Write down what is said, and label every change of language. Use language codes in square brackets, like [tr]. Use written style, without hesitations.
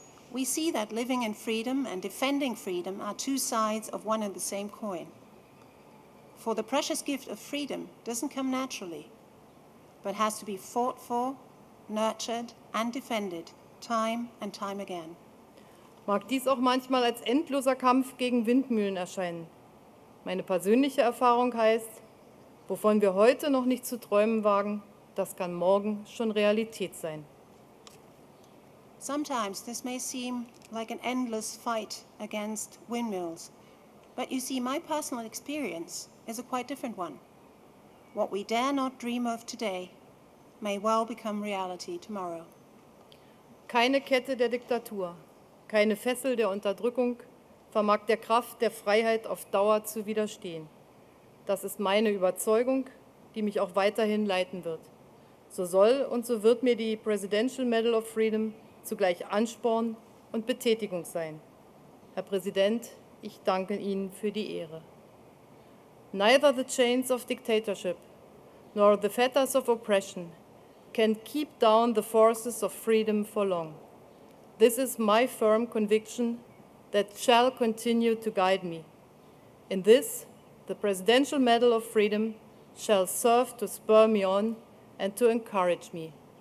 [en] We see that living in freedom and defending freedom are two sides of one and the same coin. For the precious gift of freedom doesn't come naturally, but has to be fought for, nurtured, and defended time and time again. [de] Mag dies auch manchmal als endloser Kampf gegen Windmühlen erscheinen. Meine persönliche Erfahrung heißt, wovon wir heute noch nicht zu träumen wagen, das kann morgen schon Realität sein. [en] Sometimes this may seem like an endless fight against windmills. But you see, my personal experience is a quite different one. What we dare not dream of today may well become reality tomorrow. [de] Keine Kette der Diktatur, keine Fessel der Unterdrückung vermag der Kraft der Freiheit auf Dauer zu widerstehen. Das ist meine Überzeugung, die mich auch weiterhin leiten wird. So soll und so wird mir die Presidential Medal of Freedom zugleich Ansporn und Betätigung sein. Herr Präsident, ich danke Ihnen für die Ehre. [en] Neither the chains of dictatorship nor the fetters of oppression can keep down the forces of freedom for long. This is my firm conviction that shall continue to guide me. In this, the Presidential Medal of Freedom shall serve to spur me on and to encourage me.